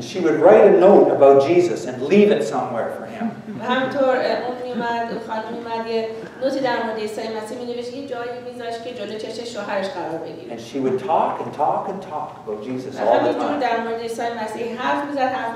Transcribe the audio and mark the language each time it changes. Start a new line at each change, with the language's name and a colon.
English: And she would write a note about Jesus and leave it somewhere for him.
Persian: و همطور اون میومد خانم میومد یه نوتی در مورد عیسی مسیح مینوشت یه جایی میذاشت که جلوی چشم شوهرش قرار بگیره.
English: And she would talk and talk and talk about Jesus all the time.
Persian: همینطور در مورد عیسی مسیح حرف میزد.